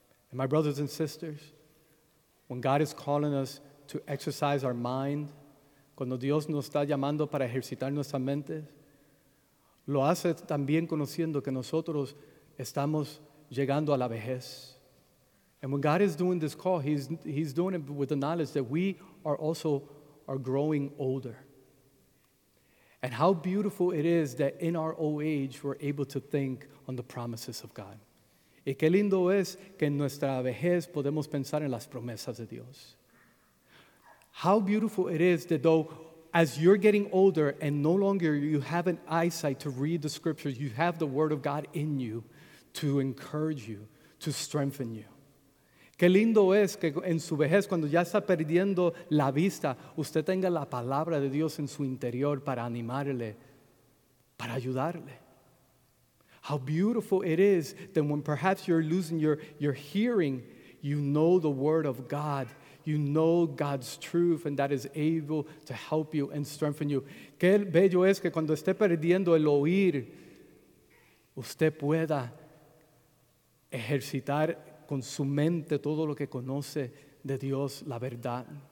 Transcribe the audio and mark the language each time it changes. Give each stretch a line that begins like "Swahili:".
English: And my brothers and sisters, when God is calling us to exercise our mind,
Spanish: cuando Dios nos está llamando para ejercitar nuestra mente, lo hace también conociendo que nosotros estamos llegando a la vejez.
English: And when God is doing this call, he's doing it with the knowledge that we are also are growing older. And how beautiful it is that in our old age, we're able to think on the promises of God.
Spanish: Y qué lindo es que en nuestra vejez podemos pensar en las promesas de Dios.
English: How beautiful it is that though, as you're getting older and no longer you have an eyesight to read the scriptures, you have the word of God in you to encourage you, to strengthen you.
Spanish: Qué lindo es que en su vejez, cuando ya está perdiendo la vista, usted tenga la palabra de Dios en su interior para animarle, para ayudarle.
English: How beautiful it is that when perhaps you're losing your hearing, you know the word of God. You know God's truth and that is able to help you and strengthen you.
Spanish: Qué bello es que cuando esté perdiendo el oír, usted pueda ejercitar con su mente todo lo que conoce de Dios, la verdad.